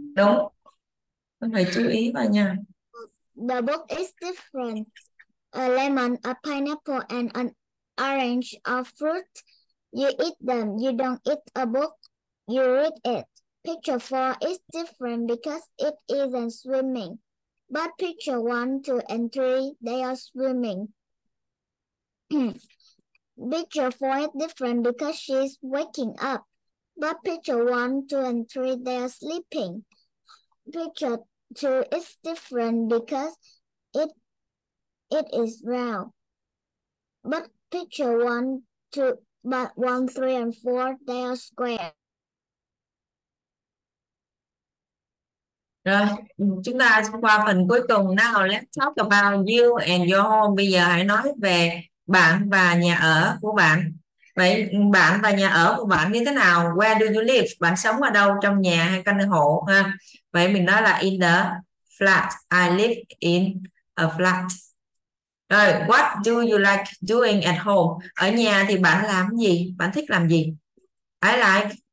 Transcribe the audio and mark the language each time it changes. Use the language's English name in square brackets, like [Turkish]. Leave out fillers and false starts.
[Vietnamese] đúng, con phải chú ý vào nha. [English] Book is different. A lemon, a pineapple, and an orange are fruit. You eat them. You don't eat a book. You read it. Picture 4 is different because it isn't swimming. But picture 1, 2, and 3, they are swimming. Picture 4 is different because she's waking up. But picture 1, 2, and 3, they are sleeping. Picture 2 is different because it is round. But picture 1, 2, but 1, 3, and 4, they are square. [Vietnamese] Rồi, chúng ta sẽ qua phần cuối cùng. [English] Now let's talk about you and your home. [Vietnamese] Bây giờ hãy nói về bạn và nhà ở của bạn. Vậy bạn và nhà ở của bạn như thế nào? [English] Where do you live? [Vietnamese] Bạn sống ở đâu? Trong nhà hay căn hộ ha? Vậy mình nói là [English] in the flat. I live in a flat. Rồi, what do you like doing at home? [Vietnamese] Ở nhà thì bạn làm gì? [English] Bạn thích làm gì? I like.